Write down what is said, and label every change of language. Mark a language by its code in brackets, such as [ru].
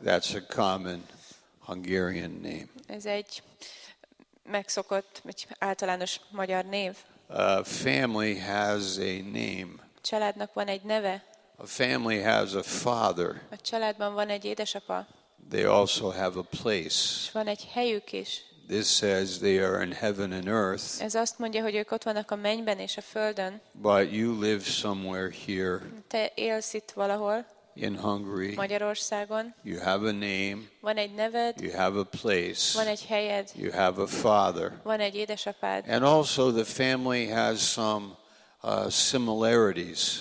[en] That's a common Hungarian name. [hu] Ez egy megszokott, vagy általános magyar név. [en] Family has a name. [hu] A családnak van egy neve. [en] A family has a father. [hu] A családban van egy édesapa. [en] They also have a place. [hu] És van egy helyük is. [en] This says they are in heaven and earth. [hu] Ez azt mondja, hogy ők ott vannak a mennyben és a földön. [en] But you live somewhere here. [hu] Te élsz itt valahol. [en] In Hungary. [hu] Magyarországon. [en] You have a name. [hu] Van egy neved. [en] You have a place. [hu] Van egy helyed. [en] You have a father. [hu] Van egy édesapád. [en] And also the family has some similarities.